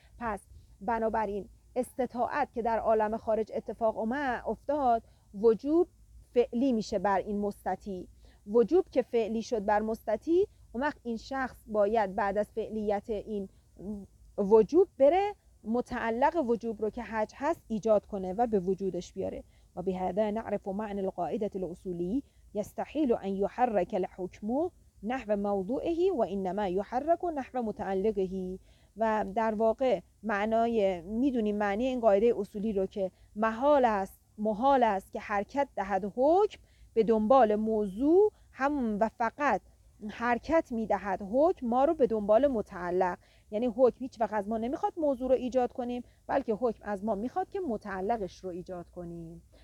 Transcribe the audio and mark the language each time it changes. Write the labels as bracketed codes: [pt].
[fa] پس بنابراین استطاعت که در عالم خارج اتفاق افتاد، وجوب فعلی میشه بر این مستتی. وجوب که فعلی شد بر مستتی، اون وقت این شخص باید بعد از فعلیت این وجوب بره متعلق وجوب رو که حج هست ایجاد کنه و به وجودش بیاره. [ar] و به هذا نعرف معنى القاعدة الاصولی يستحيل ان يحرك الحكم نحو موضوعه وانما يحرك نحو متعلقه. [fa] و در واقع میدونیم معنی این قاعده اصولی رو که محال است که حرکت دهد حکم به دنبال موضوع، هم و فقط حرکت میدهد حکم ما رو به دنبال متعلق. یعنی حکم هیچ وقت از ما نمیخواد موضوع رو ایجاد کنیم، بلکه حکم از ما میخواد که متعلقش رو ایجاد کنیم.